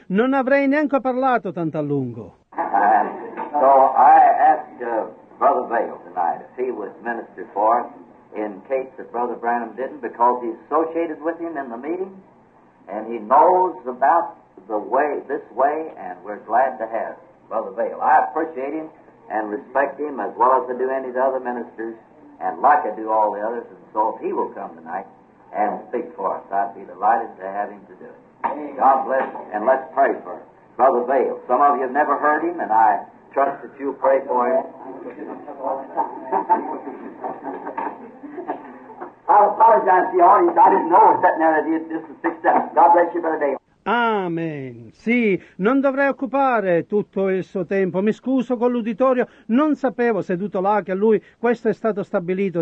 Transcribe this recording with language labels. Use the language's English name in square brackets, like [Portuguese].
[Italian] Non avrei neanche parlato tanto a lungo. [English] So I asked Brother Vail tonight if he would minister for us in case that Brother Branham didn't, because he's associated with him in the meeting, and he knows about the way, this way, and we're glad to have Brother Vail. I appreciate him and respect him as well as I do any of the other ministers, and like I do all the others. So if he will come tonight and speak for us, I'd be delighted to have him to do it. God bless, and let's pray for him. Brother Vail, some of you have never heard him, and I trust that you'll pray for him. I apologize to the audience. I didn't know it was sitting there that he had just a 6 steps. God bless you, Brother Vail. Amen. [Italian] Sì, non dovrei occupare tutto il suo tempo. Mi scuso con l'uditorio. Non sapevo, seduto là, che lui questo è stato stabilito.